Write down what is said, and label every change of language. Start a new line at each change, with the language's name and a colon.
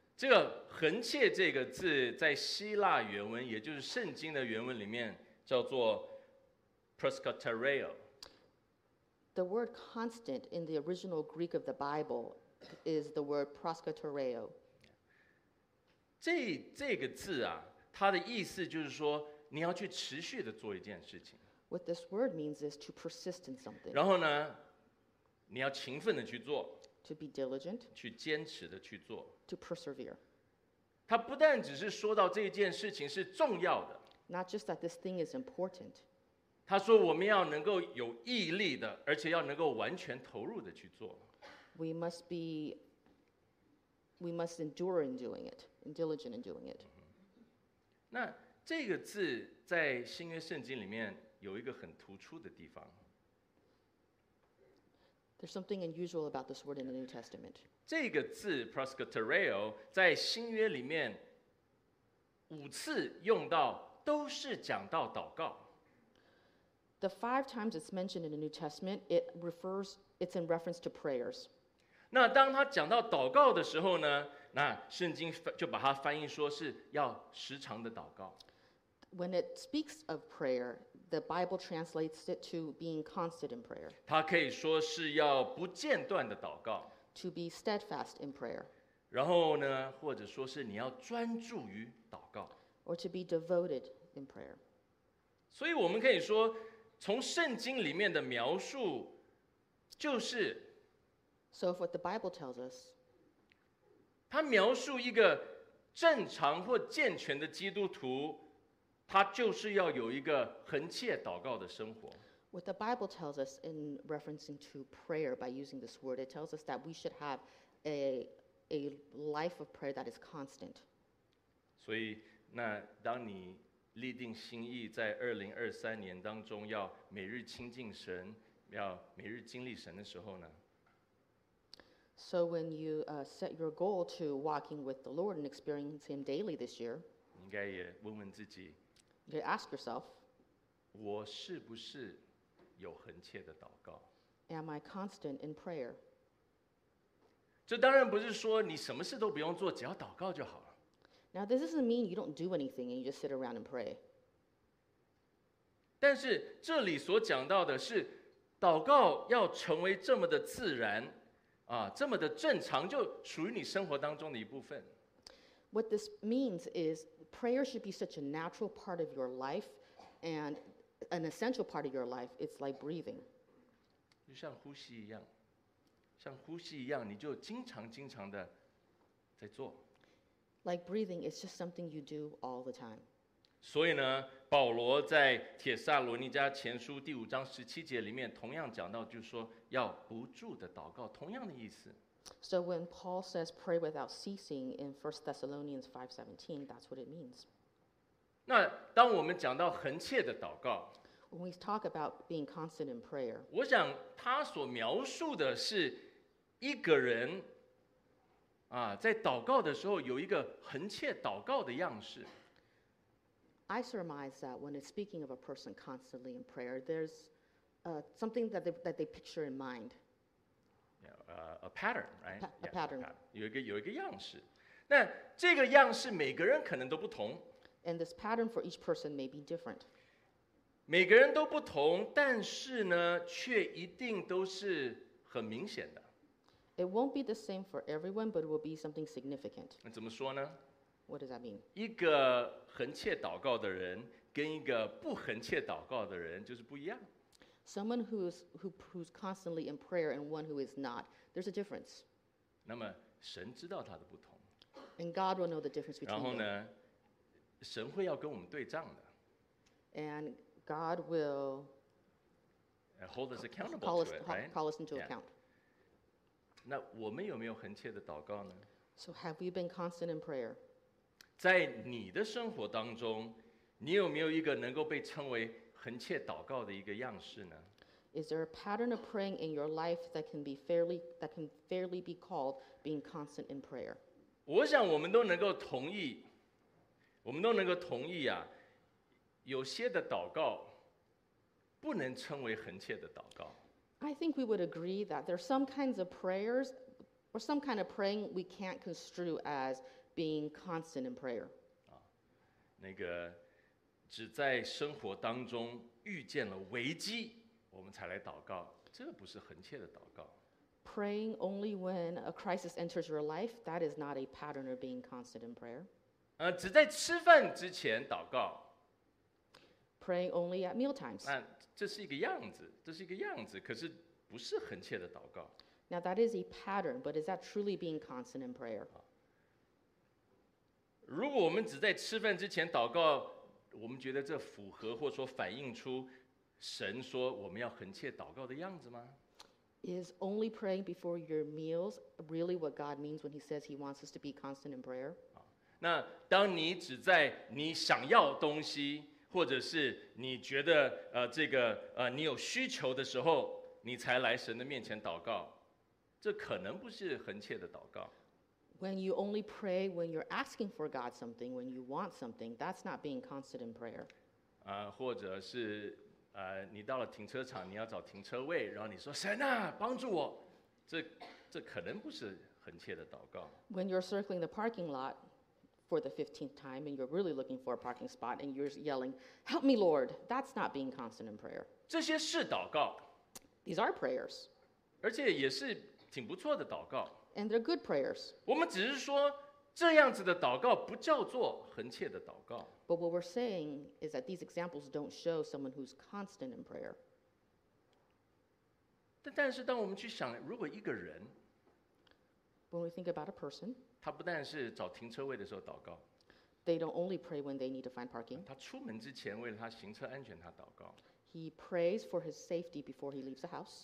Chinese: 这个恒切这个字在希腊原文，也就是圣经的原文里面叫做 proskotereo。
English: The word constant in the original Greek of the Bible is the word proskotereo。
Chinese: 这个字啊，它的意思就是说你要去持续的做一件事情。
English: What this word means is to persist in something。
Chinese: 然后呢，你要勤奋的去做。
English: To be diligent,
Chinese: 去坚持的去做。
English: To persevere.
Chinese: 他不但只是说到这件事情是重要的。
English: Not just that this thing is important.
Chinese: 他说我们要能够有毅力的，而且要能够完全投入的去做。
English: We must endure in doing it, and diligent in doing it.
Chinese: 那这个字在新约圣经里面有一个很突出的地方。
English: There's something unusual about this word in the New Testament.
Chinese: 这个字 proskotereo 在新约里面五次用到，都是讲到祷告。
English: The five times it's mentioned in the New Testament, it's in reference to prayers.
Chinese: 那当他讲到祷告的时候呢，那圣经就把它翻译说是要时常的祷告。
English: When it speaks of prayer,The Bible translates it to being constant in prayer.
Chinese: 它可以说是要不间断的祷告。
English: To be steadfast in prayer.
Chinese: 然后呢，或者说是你要专注于祷告。
English: Or to be devoted in prayer.
Chinese: 所以我们可以说，从圣经里面的描述就是。
English: So if what the Bible tells us.
Chinese: 它描述一个正常或健全的基督徒。他就是要有一个恒切祷告的生活。
English: What the Bible tells us in referencing to prayer by using this word, it tells us that we should have a life of prayer that is constant.
Chinese: 所以，那当你立定心意，在2023年当中要每日亲近神，要每日经历神的时候呢？
English: So when you set your goal to walking with the Lord and experience Him daily this year,
Chinese: 你应该也问问自己，
English: you ask yourself,
Chinese: 我是不是有恒切的祷告？
English: Am I constant in prayer?
Chinese: 这当然不是说你什么事都不用做，只要祷告就好了。
English: Now, this doesn't mean you don't do anything and you just sit around and pray.
Chinese: 但是这里所讲到的是祷告要成为这么的自然，啊，这么的正常，就属于你生活当中的一部分。
English: What this means is prayer should be such a natural part of your life and an essential part of your life. It's like breathing.
Chinese: 就像呼吸一样，像呼吸一样，你就经常经常的在做。
English: Like breathing, it's just something you do all the time.
Chinese: 所以呢，保罗在帖撒罗尼迦前书第五章十七节里面同样讲到，就是说要不住的祷告，同样的意思。
English: So when Paul says pray without ceasing in 1 Thessalonians 5:17, that's what it means.
Chinese: 那当我们讲到恒切的祷告，
English: when we talk about being constant in prayer,
Chinese: 我想他所描述的是一个人啊，在祷告的时候有一个恒切祷告的样式。
English: I surmise that when it's speaking of a person constantly in prayer, there's something that they picture in mind. Yeah, a pattern, right? A pattern. Yeah, a pattern.
Chinese: 有一个样式。那这个样式每个人可能都不同。
English: And this pattern for each person may be different.
Chinese: 每个人都不同，但是呢，却一定都是很明显的。
English: It won't be the same for everyone, but it will be something significant.
Chinese: 怎么说呢？
English: What does that mean?
Chinese: 一个恒切祷告的人跟一个不恒切祷告的人就是不一样。
English: Someone who's constantly in prayer and one who is not, there's a difference.
Chinese: 那么神知道他的不同。
English: And God will know the difference between them.
Chinese: 然后呢，神会要跟我们对账的。
English: And God will hold us accountable to it, right? Call us into account.
Chinese: 那我们有没有恒切的祷告呢？
English: So have you been constant in prayer?
Chinese: 在你的生活当中，你有没有一个能够被称为恒切祷告的一个样式呢？
English: Is there a pattern of praying in your life that can fairly be called being constant in prayer?
Chinese: 我想我们都能够同意，我们都能够同意啊，有些的祷告不能称为恒切的祷告。
English: I think we would agree that there are some kinds of prayers or some kind of praying we can't construe as being constant in prayer.
Chinese: 那个只在生活当中遇见了危机我们才来祷告，这不是恒切的祷告。
English: Praying only when a crisis enters your life, that is not a pattern of being constant in prayer.
Chinese: 只在吃饭之前祷告。
English: Praying only at meal times.
Chinese: 那这是一个样子，这是一个样子，可是不是恒切的祷告。
English: Now that is a pattern, but is that truly being constant in prayer?
Chinese: 如果我们只在吃饭之前祷告，我们觉得这符合或说反映出神说我们要恒切祷告的样子吗？
English: Is only praying before your meals really what God means when He says He wants us to be constant in prayer?
Chinese: 那当你只在你想要东西或者是你觉得这个你有需求的时候，你才来神的面前祷告，这可能不是恒切的祷告。
English: When you only pray when you're asking for God something, when you want something, that's not being constant in prayer.
Chinese: 或者是你到了停车场，你要找停车位，然后你说神啊，帮助我，这可能不是恒切的祷告。
English: When you're circling the parking lot. For the 15th time, and you're really looking for a parking spot, and you're yelling, "Help me, Lord!" That's not being constant in prayer.
Chinese: 这些是祷告。
English: These are prayers.
Chinese: 而且也是挺不错的祷告。
English: And they're good prayers.
Chinese: 我们只是说这样子的祷告不叫做恒切的祷告。
English: But what we're saying is that these examples don't show someone who's constant in prayer.
Chinese: 但是当我们去想，如果一个人
English: ，When we think about a person.
Chinese: 他不但是找停车位的时候祷告，
English: They don't only pray when they need to find parking.
Chinese: 他出门之前为了他行车安全他祷告。
English: He prays for his safety before he leaves the house.